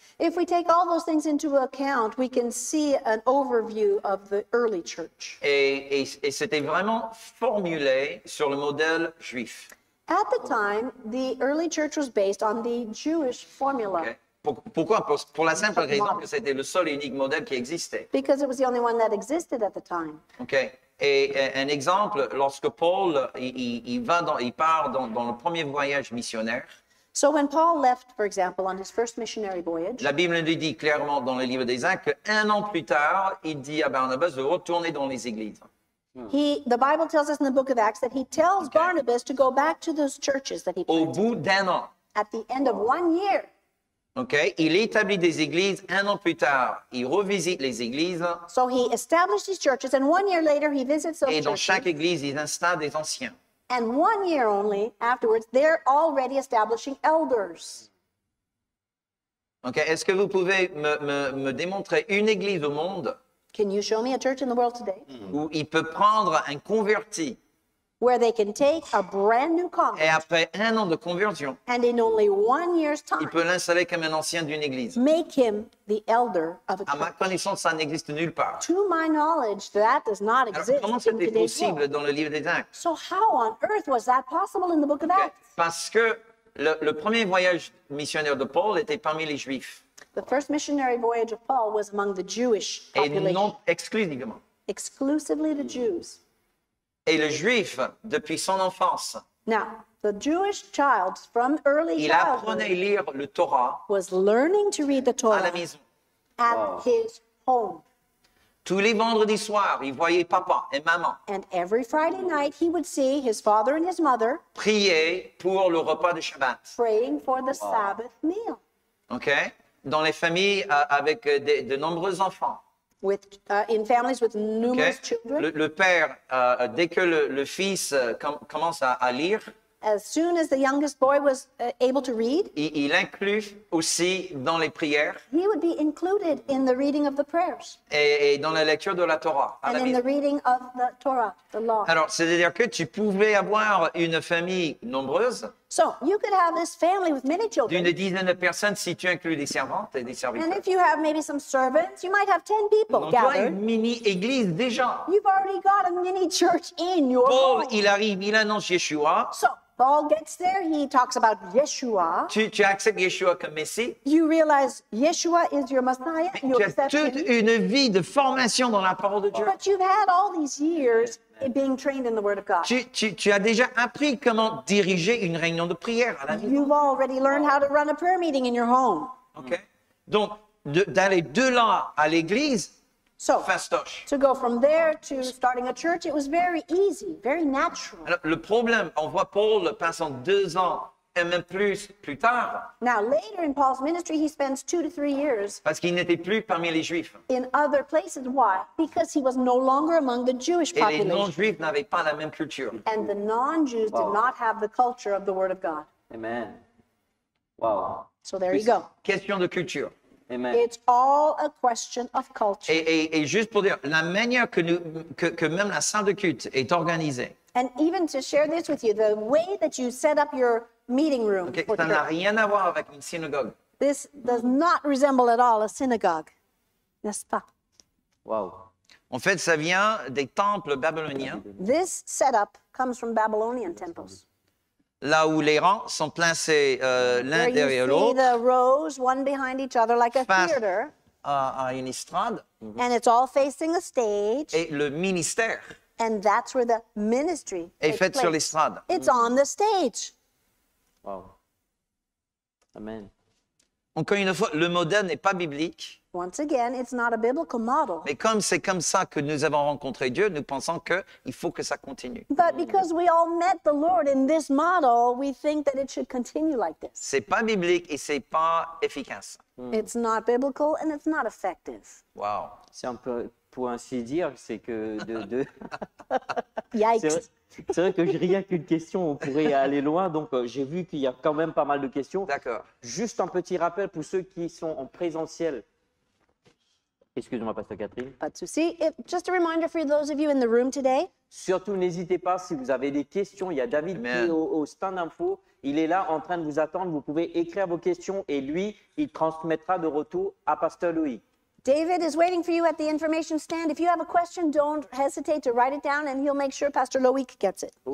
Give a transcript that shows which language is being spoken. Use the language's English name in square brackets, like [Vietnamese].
[English] If we take all those things into account, we can see an overview of the early church. [French] Et c'était vraiment formulé sur le modèle juif. [English] At the time, the early church was based on the Jewish formula. Okay. [French] Pourquoi? Pour la simple raison que c'était le seul et unique modèle qui existait. [English] Because it was the only one that existed at the time. Okay. [French] Et un exemple, lorsque Paul il part dans le premier voyage missionnaire. [English] So when Paul left, for example, on his first missionary voyage. [French] La Bible nous dit clairement dans le livre des Actes qu'un an plus tard, il dit à Barnabas de retourner dans les églises. [English] The Bible tells us in the book of Acts that he tells Barnabas to go back to those churches that he planted. [French] Au bout d'un an. [English] At the end of 1 year. [French] Okay, il établit des églises, un an plus tard, il revisite les églises. [English] So he established these churches, and 1 year later he visits those [French] churches. Et dans chaque église, il installe des anciens. [English] And 1 year only afterwards, they're already establishing elders. [French] Okay, est-ce que vous pouvez me démontrer une église au monde? [English] Can you show me a church in the world today? [French] Où il peut prendre un converti. [English] Where they can take a brand new convert. [French] Et après un an de conversion. [English] And in only 1 year's time. [French] Il peut l'installer comme un ancien d'une église. [English] Make him the elder of a church. [French] À ma connaissance, ça n'existe nulle part. [English] To my knowledge, that does not exist. [French] Alors, comment c'était possible dans le livre des Actes? [English] So how on earth was that possible in the book of Acts? [French] Parce que le premier voyage missionnaire de Paul était parmi les Juifs. [English] The first missionary voyage of Paul was among the Jewish population. [French] Et non exclusivement. [English] Exclusively the Jews. [French] Et le juif, depuis son enfance, [English] now, the Jewish child, from early [French] il apprenait à lire le Torah, [English] was learning to read the Torah [French] à la maison. [English] At his home. [French] Tous les vendredis soirs, il voyait papa et maman. [English] And every Friday night, he would see his father and his mother [French] prier pour le repas de Shabbat. [English] Praying for the Sabbath meal. [French] Okay. Dans les familles avec de nombreux enfants. [English] In families with numerous children. [French] Le père, dès que le fils commence à lire, [English] as soon as the youngest boy was able to read, [French] il inclut aussi dans les prières. [English] He would be included in the reading of the prayers. [French] Et dans la lecture de la Torah. [English] And [French] la [English] in [French] maison. [English] The reading of the Torah, the law. [French] Alors, c'est-à-dire que tu pouvais avoir une famille nombreuse. [English] So, you could have this family with many children. [French] D'une dizaine de personnes si tu inclus des servantes et des serviteurs. [English] And if you have maybe some servants, you might have 10 people [French] Donc, [English] gathered. [French] Donc, tu as une mini-église déjà. [English] You've already got a mini-church in your Paul, home. [French] Paul, il arrive, il annonce Yeshua. [English] So, Paul gets there, he talks about Yeshua. [French] Tu acceptes Yeshua comme Messie. [English] You realize Yeshua is your Messiah. [French] Mais tu as toute une vie de formation dans la parole de Dieu. [English] But you've had all these years being trained in the Word of God. [French] Tu as déjà appris comment diriger une réunion de prière à la maison. [English] You've already learned how to run a prayer meeting in your home. [French] Okay. Donc, d'aller de là à l'église, fastoche. [English] To go from there to starting a church, it was very easy, very natural. [French] Alors, le problème, on voit Paul passant 2 ans et même plus tard. [English] Now, later in Paul's ministry, he spends 2 to 3 years. [French] Parce qu'il n'était plus parmi les Juifs. [English] In other places, why? Because he was no longer among the Jewish [French] et [English] population. [French] Et les non-Juifs n'avaient pas la même culture. [English] And the non-Jews did not have the culture of the Word of God. Amen. Wow. So there you go. [French] Question de culture. Amen. [English] It's all a question of culture. [French] Et juste pour dire, la manière que même la salle de culte est organisée. [English] And even to share this with you, the way that you set up your meeting room. [French] Okay, ça n'a rien à voir avec une synagogue. [English] This does not resemble at all a synagogue, [French] n'est-ce pas? [English] Wow. [French] En fait, ça vient des temples babyloniens. [English] This setup comes from Babylonian temples. [French] Là où les rangs sont placés l'un [English] where [French] derrière l'autre. [English] The rows, one behind each other, like a theater. [French] À une estrade. [English] And it's all facing a stage. [French] Et le ministère. [English] And that's where the ministry [French] est fait sur l'estrade. [English] It's on the stage. Wow. Amen. [French] Encore une fois, le modèle n'est pas biblique. [English] Once again, it's not a biblical model. [French] Mais comme c'est comme ça que nous avons rencontré Dieu, nous pensons qu'il faut que ça continue. [English] But because we all met the Lord in this model, we think that it should continue like this. [French] C'est pas biblique et c'est pas efficace. [English] It's not biblical and it's not effective. Wow. [French] Si on peut, pour ainsi dire, c'est que de... [English] Yikes. [French] C'est vrai que je riais avec une question, on pourrait aller loin, donc j'ai vu qu'il y a quand même pas mal de questions. D'accord. Juste un petit rappel pour ceux qui sont en présentiel. Excuse-moi, Pasteur Catherine. Pas de souci. [English] Just a reminder for those of you in the room today. [French] Surtout, n'hésitez pas, si vous avez des questions, il y a David qui est au stand info. Il est là en train de vous attendre. Vous pouvez écrire vos questions et lui, il transmettra de retour à Pasteur Louis. [English] David is waiting for you at the information stand. If you have a question, don't hesitate to write it down and he'll make sure Pastor Loïc gets it.